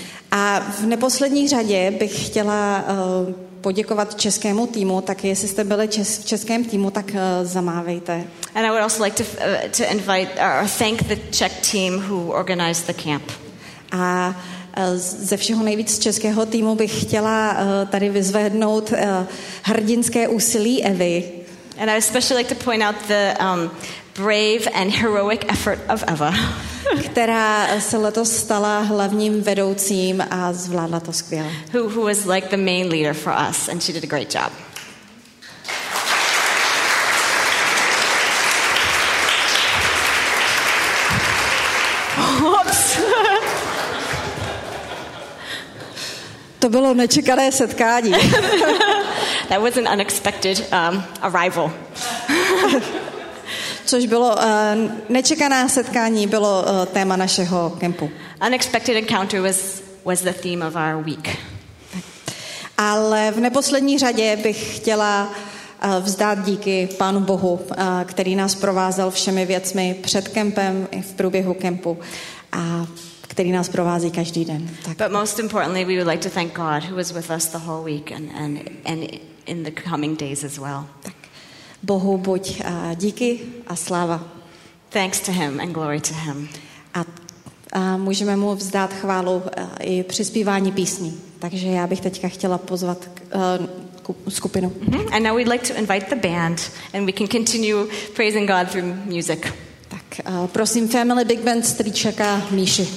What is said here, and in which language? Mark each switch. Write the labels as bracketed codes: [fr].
[cs] A v neposlední řadě bych chtěla poděkovat českému týmu, tak jestli jste byli v českém týmu, tak zamávejte. [en] And I would also like to invite or thank the Czech team who organized the camp. [cs] A ze všeho nejvíc českého týmu bych chtěla tady vyzvednout hrdinské úsilí Evy. [en] And I especially like to point out the brave and heroic effort of Eva. [cs] Která se letos stala hlavním vedoucím a zvládla to skvěle. [en] Who was like the main leader for us and she did a great job. Oops. [cs] To bylo nečekané setkání. [en] That was an unexpected arrival. [cs] Což bylo nečekané setkání, bylo téma našeho kempu. [en] Unexpected encounter was the theme of our week. [cs] Ale v neposlední řadě bych chtěla vzdát díky Pánu Bohu, který nás provázel všemi věcmi před kempem i v průběhu kempu a který nás provází každý den. Tak. [en] But most importantly, we would like to thank God who was with us the whole week and in the coming days as well. [cs] Tak. Bohu buď díky a sláva. [en] Thanks to him and glory to him. [cs] A můžeme mu vzdát chválu i při zpívání písní. Takže já bych teďka chtěla pozvat skupinu. Mm-hmm. [en] And now we'd like to invite the band and we can continue praising God through music. [cs] Tak prosím Family Big Band Stříčeka Míši.